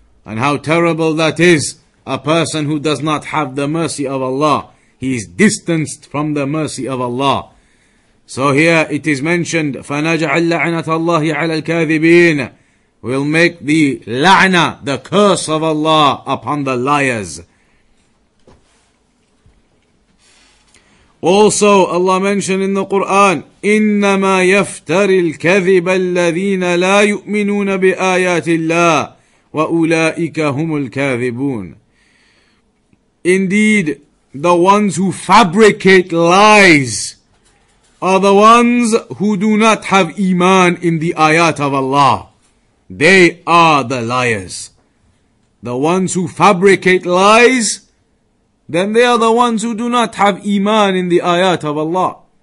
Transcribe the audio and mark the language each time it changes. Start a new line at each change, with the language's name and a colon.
English: And how terrible that is, a person who does not have the mercy of Allah. He is distanced from the mercy of Allah. So here it is mentioned,
Arabic: فَنَجْعَلْ لَعْنَةَ اللَّهِ عَلَى الْكَاذِبِينَ.
English: We'll make the la'na, the curse of Allah, upon the liars. Also, Allah mentioned in the Qur'an,
Arabic: إِنَّمَا يَفْتَرِ الْكَذِبَ الَّذِينَ لَا يُؤْمِنُونَ بِآيَاتِ اللَّهِ وَأُولَٰئِكَ هُمُ الْكَاذِبُونَ.
English: Indeed, the ones who fabricate lies are the ones who do not have iman in the ayat of Allah. They are the liars. The ones who fabricate lies, then they are the ones who do not have iman in the ayat of Allah.